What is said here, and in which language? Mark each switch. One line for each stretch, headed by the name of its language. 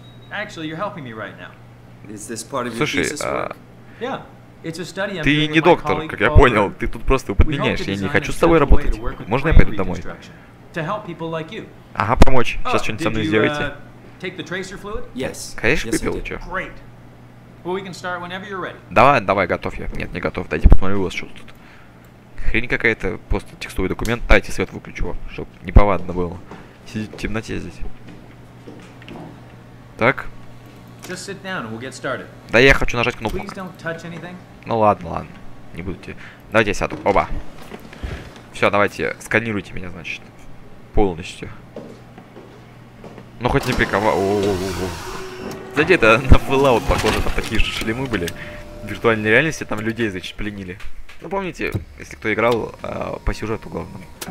English: Actually, you're helping me right now. Is this part of your thesis work? Yeah. It's a study I'm doing.
Russian: Ты не доктор, как я понял. Ты тут просто подменяешь. Я не хочу с тобой работать. Можно я пойду домой?
English: To help people like you.
Russian: Ага, помочь. Сейчас что-нибудь со мной сделаете.
English: Take the tracer fluid? Yes.
Russian: Конечно, выпил, чё.
English: Great. Well, we can start whenever you're ready.
Russian: Давай, готов я. Нет, не готов. Дайте посмотрю, у вас что тут. Хрень какая-то, просто текстовый документ. Дайте свет выключу, чтоб неповадно было. Сидеть в темноте здесь. Так.
English: Just sit down and we'll get started.
Russian: Да я хочу нажать кнопку.
English: Please don't touch anything.
Russian: Ну ладно, ладно. Не буду тебе. Давайте я сяду. Опа. Все, давайте, сканируйте меня, значит. Полностью. Ну хоть не приковал. Знаете, это на Fallout, похоже, там такие же шлемы были. В виртуальной реальности там людей, значит, пленили. Ну помните, если кто играл по сюжету главному.